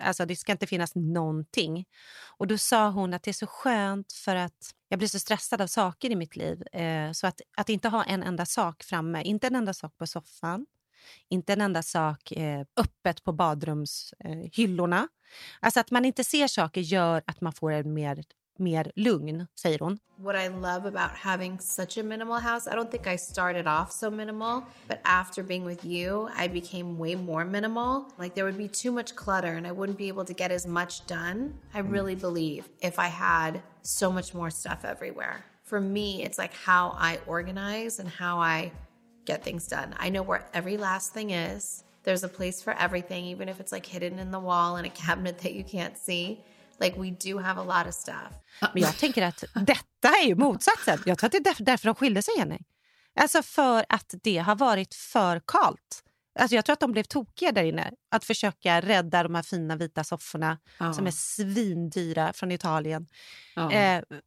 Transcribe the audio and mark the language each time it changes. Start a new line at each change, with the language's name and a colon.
Swedish: Alltså det ska inte finnas någonting. Och då sa hon att det är så skönt för att jag blir så stressad av saker i mitt liv. Så att inte ha en enda sak framme. Inte en enda sak på soffan. Inte en enda sak öppet på badrumshyllorna. Alltså att man inte ser saker gör att man får en mer lugn, säger hon.
English: What I love about having such a minimal house, I don't think I started off so minimal, but after being with you, I became way more minimal. Like there would be too much clutter and I wouldn't be able to get as much done. I really believe if I had so much more stuff everywhere. For me, it's like how I organize and how I get things done. I know where every last thing is. There's a place for everything, even if it's like hidden in the wall in a cabinet that you can't see. Like, we do have a lot of stuff.
Swedish: Men jag tänker att detta är ju motsatsen. Jag tror att det är därför de skiljer sig, Jenny. Alltså för att det har varit för kallt. Alltså jag tror att de blev tokiga där inne. Att försöka rädda de här fina vita sofforna. Ja. Som är svindyra från Italien. Ja.